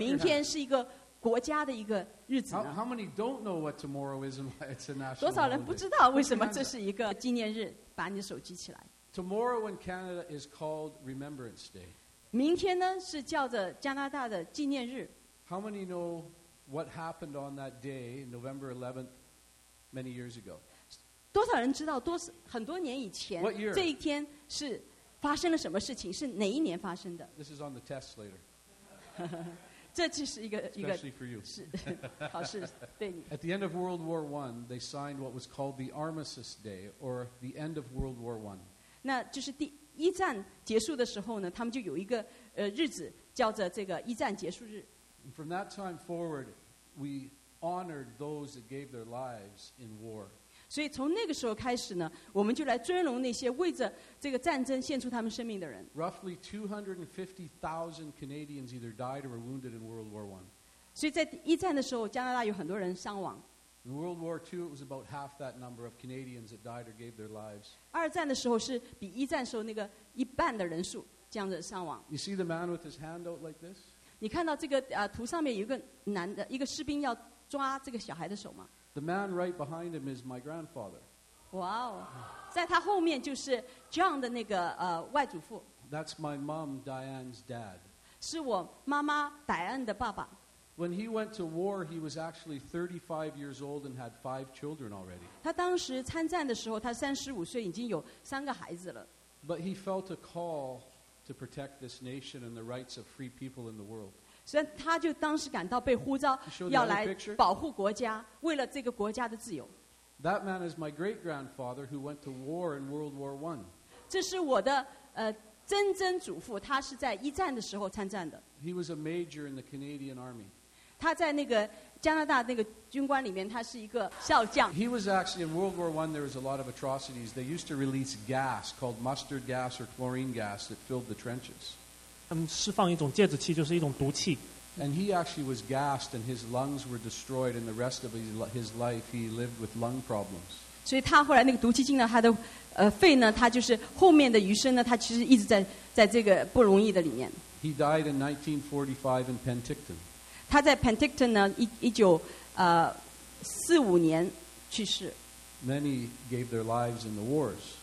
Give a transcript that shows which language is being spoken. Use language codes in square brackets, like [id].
[zh] 所以多少人知道为什么这个明天是一个国家的一个日子呢? [en] How many don't know what tomorrow is and why it's a national holiday? [zh] 多少人不知道为什么这是一个纪念日, 把你手机起来。 [en] Tomorrow in Canada is called Remembrance Day. [zh] 明天呢, 是叫着加拿大的纪念日。 [en] How many know what happened on that day, November 11th, many years ago? [zh] 多少人知道很多年以前, [en] what year? [zh] 这一天是 发生了什么事情? 是哪一年发生的? [en] This is on the test later. [zh] 这就是一个, [en] Especially for you. [zh] 是, 考试, [en] At the end of World War I, they signed what was called the Armistice Day, or the end of World War I. [zh] 那就是第一战结束的时候呢, 他们就有一个, 日子, 叫着这个一战结束日。 [en] And from that time forward, we honored those that gave their lives in war. [zh] 所以从那个时候开始呢, 我们就来尊荣那些为着这个战争献出他们生命的人。 [en] Roughly 250,000 Canadians either died or were wounded in World War I. [zh] 所以在一战的时候, 加拿大有很多人伤亡。 [en] In World War II, it was about half that number of Canadians that died or gave their lives. [zh] 二战的时候是比一战时候那个一半的人数这样子伤亡。 [en] You see the man with his hand out like this? [zh] 你看到这个, 图上面有一个男的, 一个士兵要抓这个小孩的手吗? [en] The man right behind him is my grandfather. [zh] Wow. 在他后面就是John的那个, [en] That's my mom, Diane's dad. [zh] 是我妈妈, Diane的爸爸。 [en] When he went to war, he was actually 35 years old and had five children already. [zh] 他当时参战的时候,他35岁已经有三个孩子了。 [en] But he felt a call to protect this nation and the rights of free people in the world. [zh] 所以他就当时感到被呼召要来保护国家，为了这个国家的自由。 [en] That man is my great-grandfather who went to war in World War I. [zh] 这是我的曾祖父，他是在一战的时候参战的。 [en] He was a major in the Canadian Army. [zh] 他在那个加拿大那个军官里面，他是一个少将。 [en] He was actually in World War I. There was a lot of atrocities. They used to release gas called mustard gas or chlorine gas that filled the trenches. [zh] 释放一种芥子气就是一种毒气。 [en] And he actually was gassed and his lungs were destroyed and the rest of his life he lived with lung problems. [zh] 所以他后来那个毒气进了他的肺呢，他就是后面的余生呢，他其实一直在这个不容易的里面。 [en] He died in 1945 in Penticton. [zh] 他在 Penticton 呢，1945年去世。 [en] Many gave their lives in the wars.